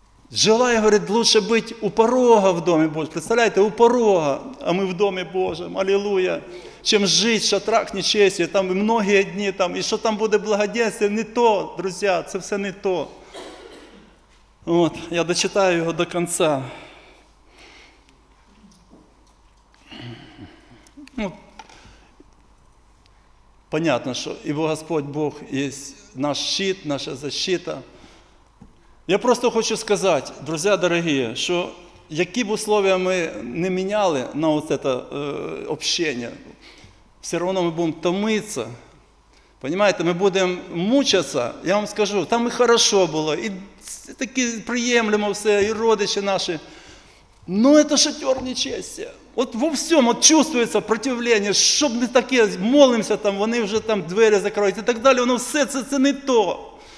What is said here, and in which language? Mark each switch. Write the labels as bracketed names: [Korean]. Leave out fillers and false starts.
[Russian] Желаю, говорит, лучше быть у порога в доме Божьем. Представляете, у порога, а мы в доме Божьем, аллилуйя. Чем жить в шатрах нечестия, там и многие дни, там, и что там будет благоденствие, не то, друзья, это все не то. Вот, я дочитаю его до конца. [Ukrainian] Ну, понятно, що ібо Господь Бог є наш щит, [Russian] наша защита. [Ukrainian] Я просто хочу сказати, друзі дорогі, що які б условия ми не міняли на ось це общення, все одно ми будемо томитися. [Russian] Понимаете, ми будемо мучатися. [Ukrainian] Я вам скажу, там і хорошо було, і таке приємлемо все, і родичі наші. Ну, це шатер нечестя. От во всьому чувствується противлення, щоб не таке, молимося там, вони вже там двері закроють і так далі, воно все це не то.